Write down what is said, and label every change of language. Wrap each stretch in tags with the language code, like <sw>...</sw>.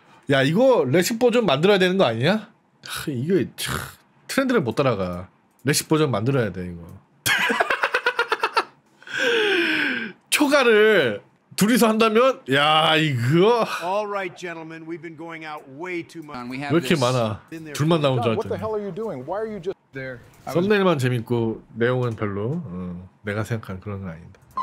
<ko>야 이거 레시포 좀 만들어야 되는 거 아니야? 이게 트렌드를 못 따라가. 레시피 버전 만들어야 돼 이거. 초가를 둘이서 한다면 야 이거.</ko> <en>All right, gentlemen. We've been going out way too much.</en> <ko>왜 이렇게 많아? 둘만 나온 줄 알았더니.</ko> <en>What the hell are you doing? Why are you just there?</en> <ko>썸네일만 재밌고 내용은 별로. 내가 생각한 그런 건 아닌데.</ko>